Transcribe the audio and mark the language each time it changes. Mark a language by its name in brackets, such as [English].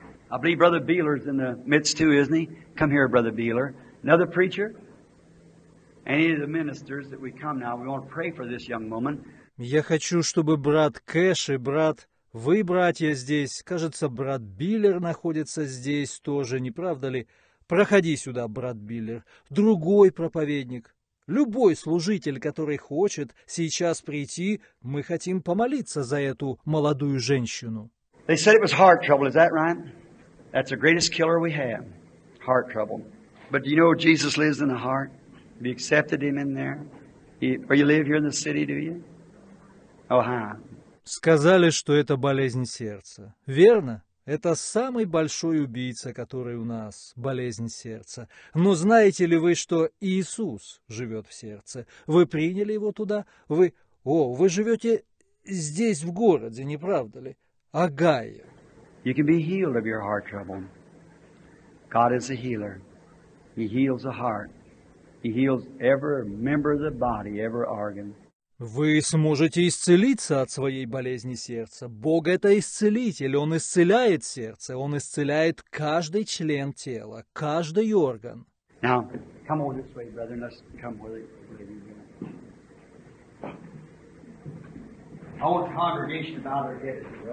[English] I believe Brother Beeler's in the midst too, isn't he? Come here, Brother Beeler. Another preacher? Any of the ministers that we come now, we want to pray for this young woman. [Russian] Я хочу, чтобы брат Кэш и брат... Вы, братья, здесь. Кажется, брат Биллер находится здесь тоже, не правда ли? Проходи сюда, брат Биллер. Другой проповедник. Любой служитель, который хочет сейчас прийти, мы хотим помолиться за эту молодую женщину. [English] They said it was heart trouble, is that right? That's the greatest killer we have, heart trouble. But do you know Jesus lives in the heart? Have you accepted him in there? Or you live here in the city, do you? Oh, hi. [Russian] Сказали, что это болезнь сердца. Верно? Это самый большой убийца, который у нас, болезнь сердца. Но знаете ли вы, что Иисус живет в сердце? Вы приняли его туда? Вы живете здесь, в городе, не правда ли? Агайя. [English] You can be healed of your heart trouble. God is a healer. He heals the heart. He heals every member of the body, every organ. [Russian] Вы сможете исцелиться от своей болезни сердца. Бог — это исцелитель. Он исцеляет сердце. Он исцеляет каждый член тела, каждый орган. [English] Now, come over this way, brother. Let's come with it. I want the congregation to bow their heads.